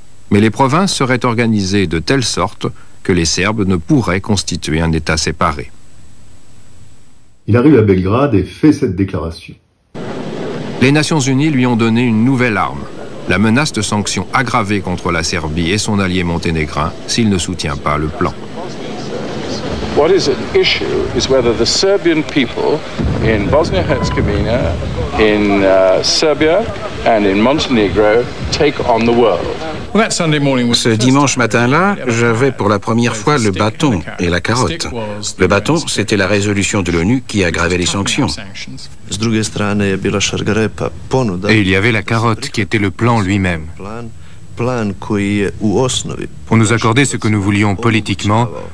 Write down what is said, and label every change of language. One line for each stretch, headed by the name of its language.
French: Mais les provinces seraient organisées de telle sorte que les Serbes ne pourraient constituer un État séparé. Il arrive à Belgrade et fait cette déclaration. Les Nations Unies lui ont donné une nouvelle arme, la menace de sanctions aggravées contre la Serbie et son allié monténégrin s'il ne soutient pas le plan.
English: What is at issue is whether the Serbian people in Bosnia-Herzegovina, in Serbia and in Montenegro take on the world.
French: Ce dimanche matin-là, j'avais pour la première fois le bâton et la carotte. Le bâton, c'était la résolution de l'ONU qui aggravait les sanctions. Et il y avait la carotte qui était le plan lui-même. Pour nous accorder ce que nous voulions politiquement,